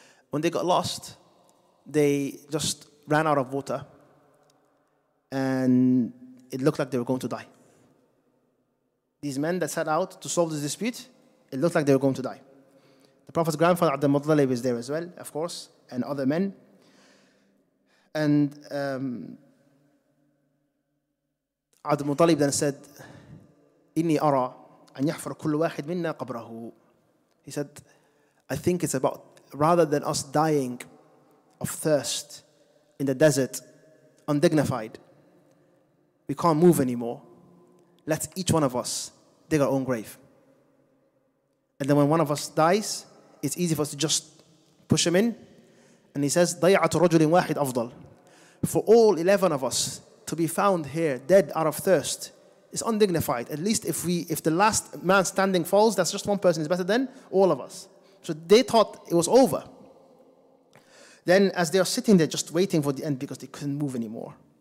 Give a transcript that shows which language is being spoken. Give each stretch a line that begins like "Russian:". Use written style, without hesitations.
English: When they got lost, they just ran out of water. And it looked like they were going to die. These men that set out to solve this dispute, it looked like they were going to die. The Prophet's grandfather, Abd al-Muttalib, is there as well, of course, and other men. And Abd al-Muttalib then said,
Arabic: إِنِّي أَرَى أَنْ يَحْفَرْ كُلُّ وَاحِدْ مِنَّا قَبْرَهُ.
English: He said, I think it's about, rather than us dying of thirst in the desert, undignified. We can't move anymore. Let each one of us dig our own grave. And then when one of us dies, it's easy for us to just push him in. And he says,
Arabic: ضَيْعَةُ رَجُلٍ وَاحِدْ أَفْضَلٍ.
English: For all 11 of us to be found here dead out of thirst is undignified. At least if the last man standing falls, that's just one person is better than all of us. So they thought it was over. Then as they are sitting there just waiting for the end because they couldn't move anymore.